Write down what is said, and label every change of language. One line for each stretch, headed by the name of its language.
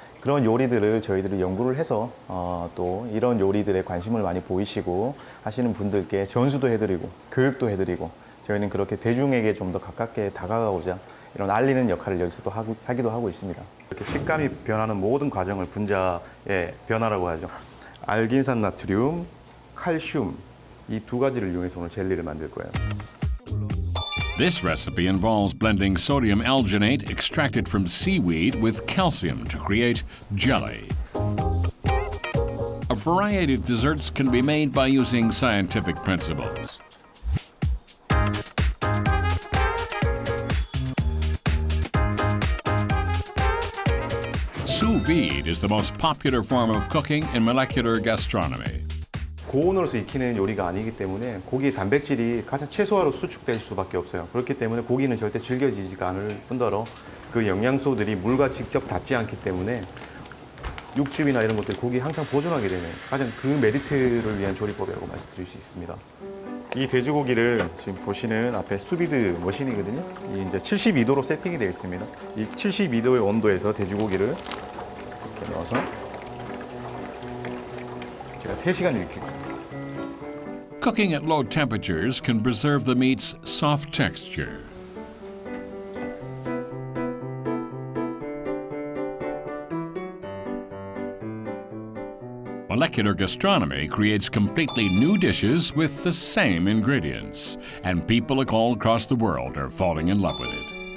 Korean: 그런 요리들을 저희들이 연구를 해서 또 이런 요리들에 관심을 많이 보이시고 하시는 분들께 전수도 해드리고 교육도 해드리고 저희는 그렇게 대중에게 좀 더 가깝게 다가가고자 이런 알리는 역할을 여기서도 하기도 하고 있습니다. 이렇게 식감이 변하는 모든 과정을 분자의 변화라고 하죠. 알긴산 나트륨, 칼슘 이 두 가지를 이용해서 오늘 젤리를 만들 거예요.
English: This recipe involves blending sodium alginate extracted from seaweed with calcium to create jelly. A variety of desserts can be made by using scientific principles. 수비드 is the most popular form of cooking in molecular gastronomy.
Korean: 고온으로서 익히는 요리가 아니기 때문에 고기의 단백질이 가장 최소화로 수축될 수밖에 없어요. 그렇기 때문에 고기는 절대 질겨지지가 않을 뿐더러 그 영양소들이 물과 직접 닿지 않기 때문에 육즙이나 이런 것들 고기 항상 보존하게 되는 가장 그 메리트를 위한 조리법이라고 말씀드릴 수 있습니다. 이 돼지고기를 지금 보시는 앞에 수비드 머신이거든요. 이 이제 72도로 세팅이 되어 있습니다. 이 72도의 온도에서 돼지고기를 이렇게 넣어서 제가 3시간 익힐게요.
English: Cooking at low temperatures can preserve the meat's soft texture. 'Molecular gastronomy creates completely new dishes with the same ingredients, and people all across the world are falling in love with it.